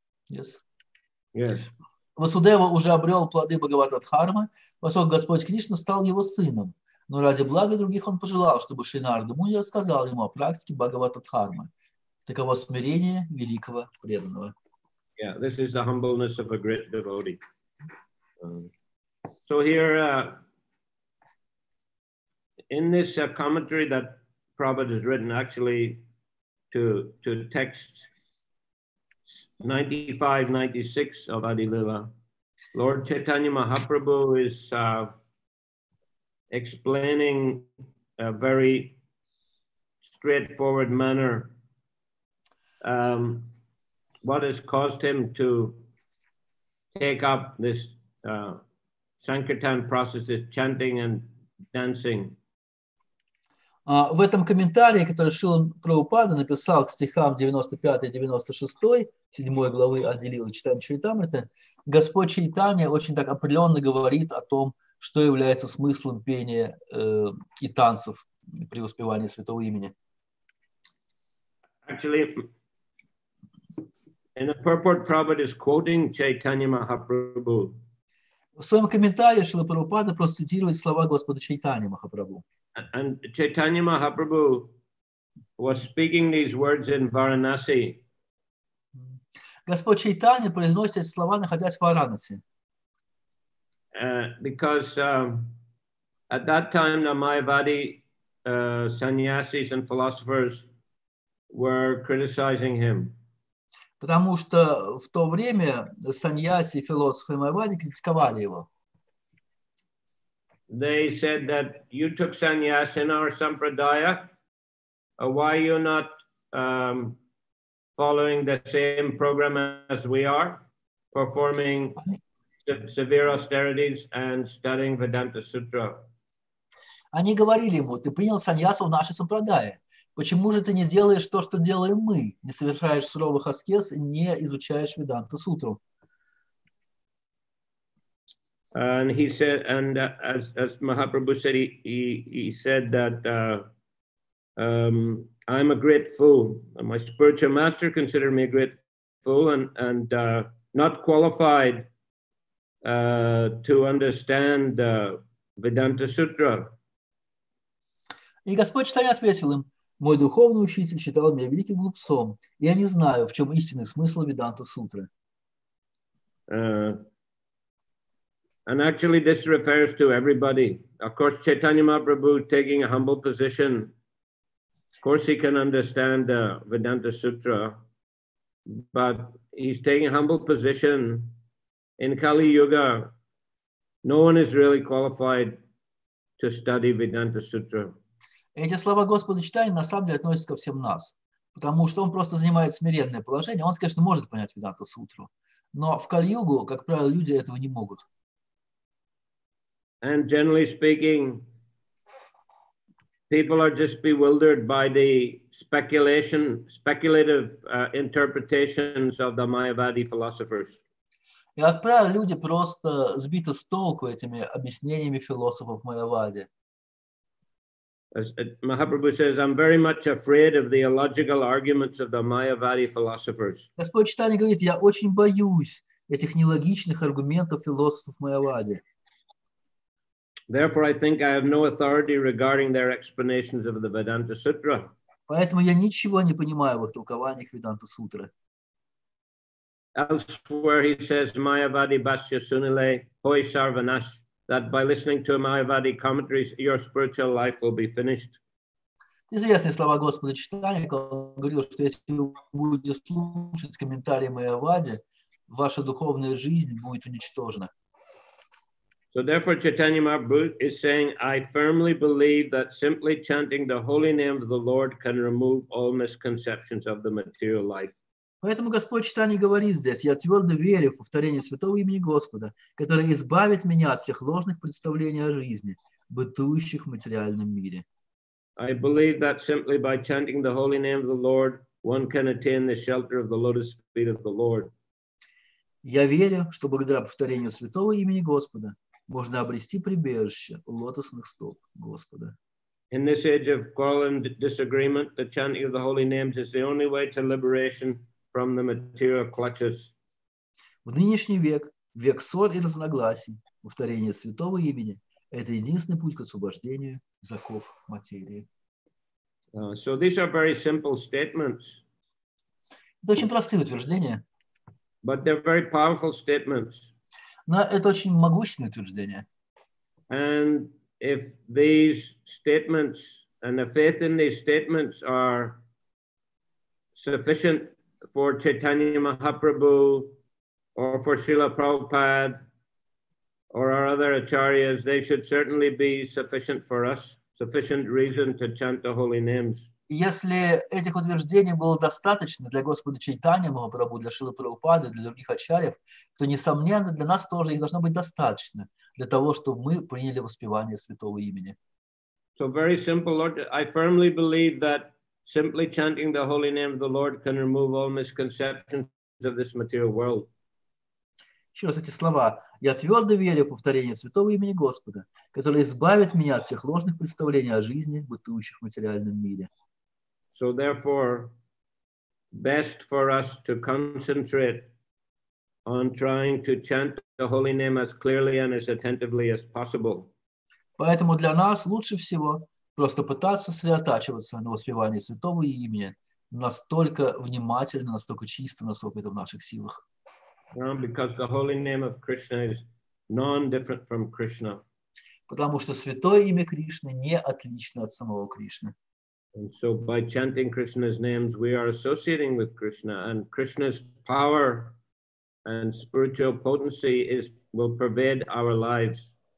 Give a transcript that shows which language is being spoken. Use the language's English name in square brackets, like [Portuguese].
[English] Yes. Yes. [Russian] Васудева уже обрел плоды Бхагаватадхармы, поскольку Господь Кришна стал его сыном. Но ради блага других он пожелал, чтобы Шри Нарада Муни рассказал ему о практике Бхагаватадхармы. Таково смирение великого преданного. [English] Yeah, this is the humbleness of a great devotee. So here, in this commentary that Prabhupada has written, actually, to text 95-96 of Adi Lila, Lord Chaitanya Mahaprabhu is explaining a very straightforward manner what has caused him to take up this Sankirtan process is chanting and dancing. [Russian] В этом комментарии, который Шрила Прабхупада написал к стихам 95-96, 7 главы отделила Чайтанья Чаритамрите, Господь Чайтанья очень так определенно говорит о том, что является смыслом пения и танцев при воспевании святого имени. [English] Actually, in the purport, Prabhupada is quoting Chaitanya Mahaprabhu. [Russian] В своем комментарии Шрила Прабхупада просто цитирует слова Господа Чайтанья Махапрабху. [English] And Chaitanya Mahaprabhu was speaking these words in Varanasi. [Russian] Господь Чайтанья произносит эти слова, находясь в Варанаси. [English] Because at that time the Mayavadi sannyasis and philosophers were criticizing him. [Russian] Потому что в то время саньяси, философы и майвади критиковали его. [English] They said that you took sannyas in our sampradaya, why are you not following the same program as we are, performing severe austerities and studying Vedanta Sutra? [Russian] Они говорили ему, ты принял саньясу в нашей сампрадае. Почему же ты не делаешь то, что делаем мы? Не совершаешь суровых аскез, не изучаешь Веданта Сутру. [English] And he said, and as Mahaprabhu said, he said that I'm a great fool. My spiritual master considered me a great fool and not qualified to understand Vedanta Sutra. [Russian] И Господь Чайтанья ответил им, мой духовный учитель считал меня великим глупцом. Я не знаю, в чем истинный смысл Веданта Сутры. [English] And actually this refers to everybody. Of course, Chaitanya Mahaprabhu taking a humble position. Of course, he can understand the Vedanta Sutra. But he's taking a humble position. In Kali Yuga, no one is really qualified to study Vedanta Sutra. [Russian] Эти слова Господа Чайтанья на самом деле относятся ко всем нас, потому что он просто занимает смиренное положение. Он, конечно, может понять Веданта Сутру, но в Кали-Югу, как правило, люди этого не могут. [English] And generally speaking, people are just bewildered by the speculative interpretations of the Mayavadi philosophers. [Russian] И, как правило, люди просто сбиты с толку этими объяснениями философов Майявади. [English] Mahaprabhu says, I'm very much afraid of the illogical arguments of the Mayavadi philosophers. [Russian] Господь Чайтанья говорит, я очень боюсь этих нелогичных аргументов философов Майявади. [English] Therefore, I think I have no authority regarding their explanations of the Vedanta Sutra. [Russian] Поэтому я ничего не понимаю в их толкованиях Веданта Сутры. [English] Elsewhere he says, [Bangla] Mayavadi Basya Sunile Hoi Sarvanash. [English] That by listening to Mayavadi commentaries, your spiritual life will be finished. [Russian] Известные слова Господа Чайтанья, он говорил, что если вы будете слушать комментарии Майявади, ваша духовная жизнь будет уничтожена. [English] So therefore, Chaitanya Mahaprabhu is saying, I firmly believe that simply chanting the holy name of the Lord can remove all misconceptions of the material life. [Russian] Поэтому Господь Чайтанья говорит здесь, я твердо верю в повторение святого имени Господа, которое избавит меня от всех ложных представлений о жизни, бытующих в материальном мире. [English] I believe that simply by chanting the holy name of the Lord, one can attain the shelter of the lotus feet of the Lord. [Russian] Я верю, что благодаря повторению святого имени Господа можно обрести прибежище у лотосных стоп Господа. [English] In this age of quarrel and disagreement, the chanting of the holy names is the only way to liberation from the material clutches. [Russian] В нынешний век, век ссор и разногласий, повторение святого имени – это единственный путь к освобождению из оков материи. [English] So these are very simple statements. [Russian] Это очень простые утверждения. [English] But they're very powerful statements. [Russian] Но это очень могущественные утверждения. [English] And if these statements and the faith in these statements are sufficient for Chaitanya Mahaprabhu, or for Srila Prabhupada, or our other acharyas, they should certainly be sufficient for us, sufficient reason to chant the holy names. [Russian] Если этих утверждений было достаточно для Господа Чайтанья Махапрабху, для Шрилы Прабхупады, для других ачарьев, то, несомненно, для нас тоже их должно быть достаточно для того, чтобы мы приняли воспевание святого имени. [English] So very simple, Lord. I firmly believe that simply chanting the holy name of the Lord can remove all misconceptions of this material world. [Russian] Еще раз эти слова. Я твердо верю в повторение святого имени Господа, которое избавит меня от всех ложных представлений о жизни, бытующих в материальном мире. [English] So therefore, best for us to concentrate on trying to chant the holy name as clearly and as attentively as possible. [Russian] Поэтому для нас лучше всего просто пытаться сосредотачиваться на воспевании святого имени настолько внимательно, настолько чисто, насколько это в наших силах. [English] Because the holy name of Krishna is non-different from Krishna. [Russian] Потому что святое имя Кришны не отлично от самого Кришны. [English] And so by chanting Krishna's names, we are associating with Krishna, and Krishna's power and spiritual potency will pervade our lives.